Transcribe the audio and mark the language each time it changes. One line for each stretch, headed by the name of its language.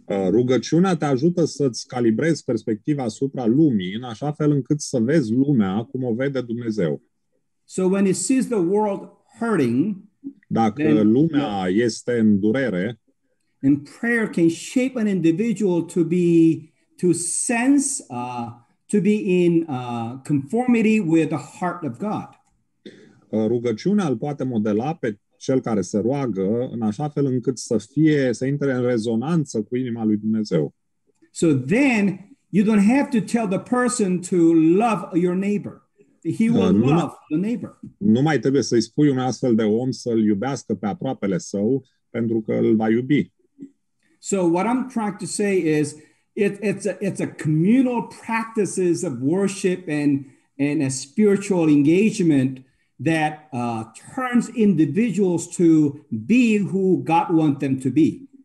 Romanian: Rugăciunea te ajută să-ți calibrezi perspectiva asupra lumii în așa fel încât să vezi lumea cum o vede Dumnezeu.
English: So when he sees the world hurting,
Romanian: dacă lumea este în durere,
English: and prayer can shape an individual to be in conformity with the heart of God.
Romanian: Rugăciunea îl poate modela pe cel care se roagă în așa fel încât să intre în rezonanță cu inima lui Dumnezeu.
English: So then you don't have to tell the person to love your neighbor. He will love the neighbor.
Romanian: Nu mai trebuie să-i spui un astfel de om să-l iubească pe aproapele său pentru că îl va iubi.
English: So what I'm trying to say is it's a communal practices of worship and a spiritual engagement that turns individuals to be who God wants them to be.